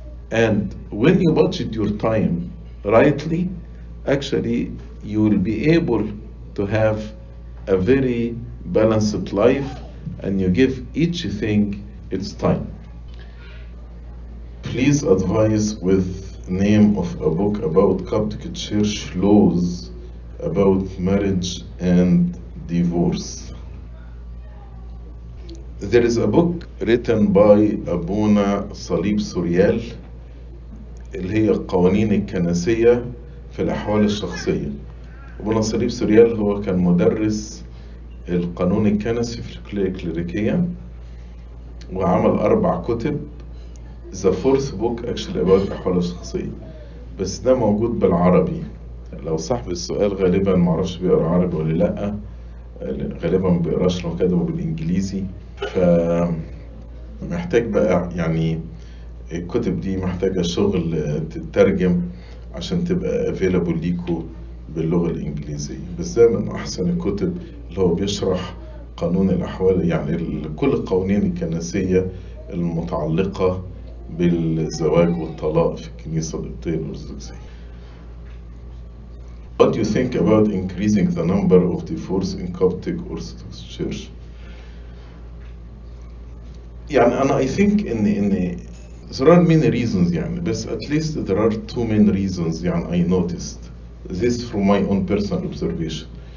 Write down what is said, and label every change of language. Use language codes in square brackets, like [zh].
[en] And when you budget your time rightly, actually, you will be able to have a very balanced life and you give each thing its time. Please advise with name of a book about Coptic Church laws about marriage and divorce. There is a book written by Abuna Salib Suriel, [ar] اللي هي القوانين الكنسية في الأحوال الشخصية. أبونا صليب سوريال هو كان مدرس القانون الكنسي في الكلية الكليريكية وعمل 4 كتب. [en] The fourth book actually about [ar] الأحوال الشخصية، بس ده موجود بالعربي. لو صاحب السؤال غالبا معرفش بيقرأ عربي ولا لأ، غالبا بيقرأش لو كده بالإنجليزي، فمحتاج بقى يعني الكتب دي محتاجة شغل تترجم عشان تبقى available ليكو باللغة الإنجليزية، بس ده من أحسن الكتب اللي هو بيشرح قانون الأحوال، يعني كل القوانين الكنسية المتعلقة بالزواج والطلاق في الكنيسة القبطية الأرثوذكسية. [en] What do you think about increasing the number of divorces in Coptic Orthodox Church؟ [ar] يعني أنا [en] I think إن there are many reasons يعني، بس at least there are 2 main reasons يعني I noticed this from my own personal observation.